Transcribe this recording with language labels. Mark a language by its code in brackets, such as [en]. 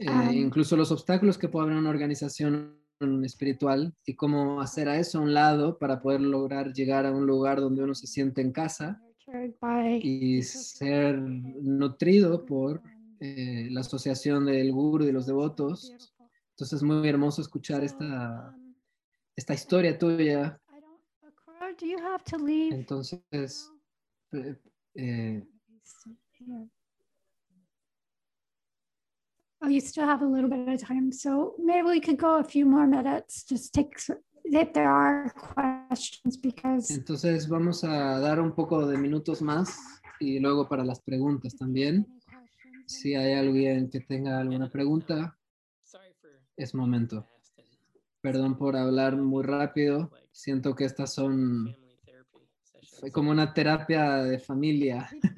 [es] incluso los obstáculos que puede haber en una organización espiritual y cómo hacer a eso a un lado para poder lograr llegar a un lugar donde uno se siente en casa y ser nutrido por la asociación del guru y los devotos. Entonces es muy hermoso escuchar esta historia tuya. Entonces, [en] you still have a little bit of time, so maybe we could go a few more minutes. Just take if there are questions. questions because... [es] Entonces vamos a dar un poco de minutos más y luego para las preguntas también. Si hay alguien que tenga alguna pregunta, es momento. Perdón por hablar muy rápido. Siento que estas son como una terapia de familia.